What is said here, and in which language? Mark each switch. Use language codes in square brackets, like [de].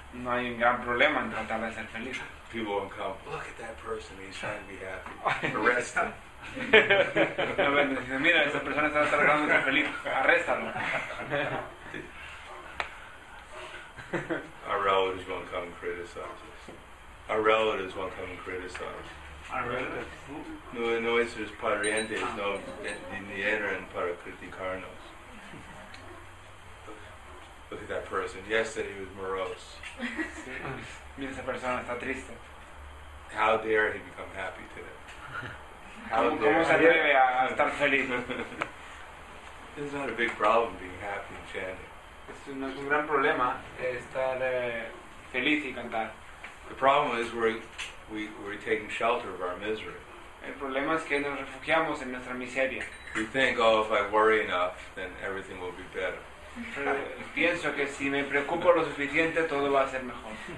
[es] No hay un gran problema en tratar de ser feliz. [en] People won't come. Look at that person, he's trying to be happy. Arrest him. [es] No, bueno, dice, mira, esa persona está tratando de ser feliz. Arréstalo. [en] Our relatives won't come and criticize us. Our relatives won't come and criticize us. Our relatives? [es] No, nuestros parientes no vinieron para criticarnos. [en] Look at that person. Yesterday he was morose. [es] Mira esa persona, está triste. [en] How dare he become happy today? [es] ¿Cómo se atreve a estar feliz? [en] This is not a big problem being happy and chanting. [es] Esto no es un gran problema estar feliz y cantar. [en] The problem is we're taking shelter of our misery. [es] El problema es que nos refugiamos en nuestra miseria. [en] We think, oh, if I worry enough, then everything will be better. [es] Pero pienso que si me preocupo lo suficiente todo va a ser mejor.